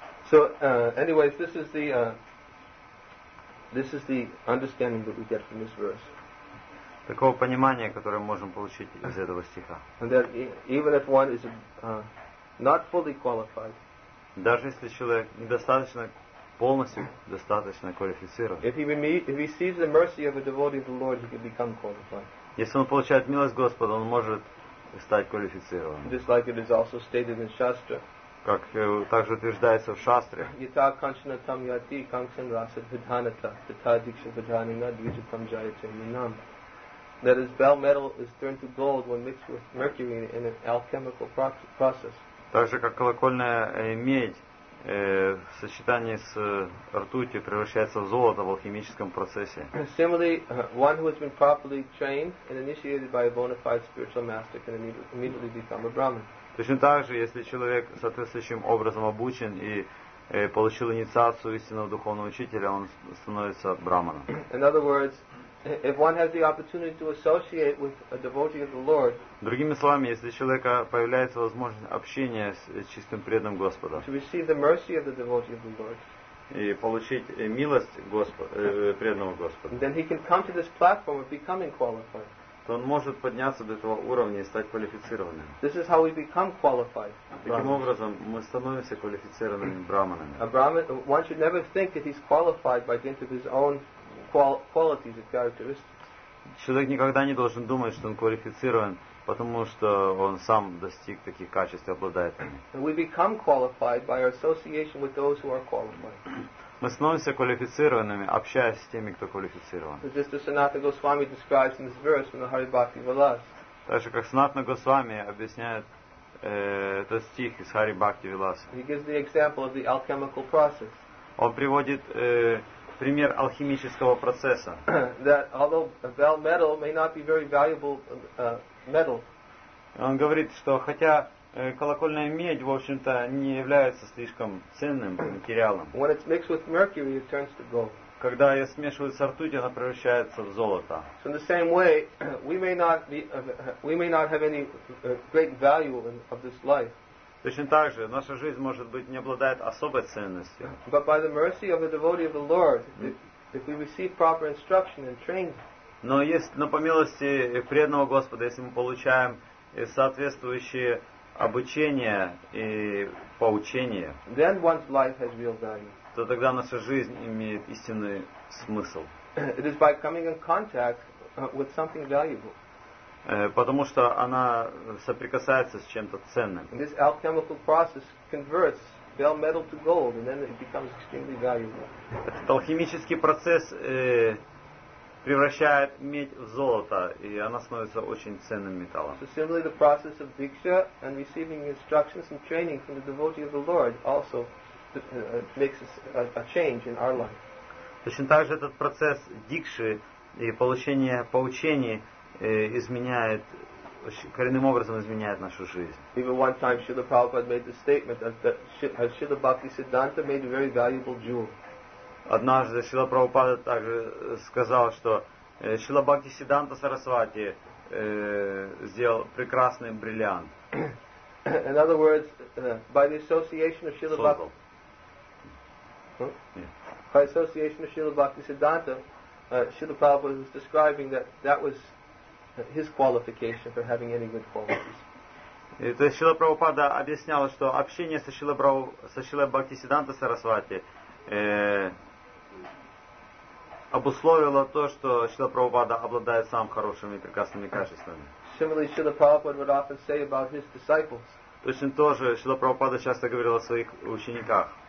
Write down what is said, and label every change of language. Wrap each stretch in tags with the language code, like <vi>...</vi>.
<en>So anyways, this is the understanding that we get from this verse.</en> <ru>Такого понимания, которое мы можем получить из этого стиха.</ru> <en>And that even if one is not fully qualified.</en> <ru>Даже если человек недостаточно полностью достаточно квалифицирован.</ru> <en>If he receives the mercy of a devotee of the Lord, he can become qualified.</en> <ru>Если он получает милость Господа, он может стать квалифицированным.</ru> <en>Just like it is also stated in Shastra.</en> <ru>Как также утверждается в шастре. Итак,</ru> <sa>кончина там яти, кончин расад бидханата, татадикша бидханина, двиджитам джаячанинам.</sa> <en>That is, bell metal is turned to gold when mixed with mercury in an alchemical process.</en> <ru>Также как колокольная медь в сочетании с ртутью превращается в золото в алхимическом процессе.</ru> <en>Similarly, one who has been properly trained and initiated by a bona fide spiritual master can immediately become a Brahmin.</en> <ru>Точно так же, если человек соответствующим образом обучен и получил инициацию истинного духовного учителя, он становится брахманом.</ru> <en>In other words, if one has the opportunity to associate with a devotee of the Lord,</en> <ru>другими словами, если у человека появляется возможность общения с чистым преданным Господа,</ru> <en>to receive the mercy of the devotee of the Lord,</en> <ru>и получить милость преданного Господа,</ru> <en>then he can come to this platform of becoming qualified.</en> <ru>То он может подняться до этого уровня и стать квалифицированным.</ru> <en>This is how we become qualified.</en> <ru>Таким образом, мы становимся квалифицированными брахманами.</ru> <en>A brahman, one should never think that he's qualified by dint of his own qualities and characteristics.</en> <ru>Человек никогда не должен думать, что он квалифицирован, потому что он сам достиг таких качеств и обладает ими.</ru> <en>And we become qualified by our association with those who are qualified.</en> <ru>Мы становимся квалифицированными, общаясь с теми, кто квалифицирован.</ru> <en>Just as Sanatana Goswami describes in this verse from the Haribhakti Vilas.</en> <ru>Так же, как Санатана Госвами объясняет этот стих из Haribhakti Vilas.</ru> <en>He gives the example of the alchemical process.</en> <ru>Он приводит пример алхимического процесса.</ru> <en>That although a bell metal may not be very valuable metal.</en> <ru>Он говорит, что хотя колокольная медь, в общем-то, не является слишком ценным материалом.</ru> <en>When it's mixed with mercury, it turns to gold.</en> <ru>Когда ее смешивают с ртутью, она превращается в золото.</ru> <en>So in the same way, we may not have any great value of this life.</en> <ru>Точно так же, наша жизнь, может быть, не обладает особой ценностью.</ru> <en>But by the mercy of the devotee of the Lord, if we receive proper instruction and training.</en> <ru>Но по милости преданного Господа, если мы получаем соответствующие обучение и поучение,</ru> <en>then one's life has real value.</en> <ru>То тогда наша жизнь имеет истинный смысл.</ru> <en>It is by coming in contact with something valuable.</en> <ru>Потому что она соприкасается с чем-то ценным.</ru> <en>And this alchemical process converts bell metal to gold, and then it becomes extremely valuable.</en> <ru>Этот алхимический процесс превращает медь в золото, и она становится очень ценным металлом.</ru> <en>So similarly, the process of diksha and receiving instructions and training from the devotee of the Lord also makes a change in our life.</en> <ru>Точно так же этот процесс дикши и получения поучений изменяет, коренным образом изменяет нашу жизнь.</ru> <en>Even one time Srila Prabhupada made the statement that Srila Bhakti Siddhanta made a very valuable jewel.</en> <ru>Однажды Шрила Прабхупада также сказал, что Шрила Бхактисиддханта Сарасвати сделал прекрасный бриллиант.</ru> <en>In other words, by the association of Шрила Бхактисиддханта, Шрила Прабхупада was describing that that was his qualification for having any good qualities.</en> <ru>То есть Шрила Прабхупада объяснял, что общение со Шрилой Бхактисиддханта Сарасвати обусловило то, что Шрила Прабхупада обладает сам хорошими и прекрасными качествами.</ru> <en>Similarly, Shrila Prabhupada would often say about his disciples.</en> <ru>Точно то же Шрила Прабхупада часто говорил о своих учениках.</ru>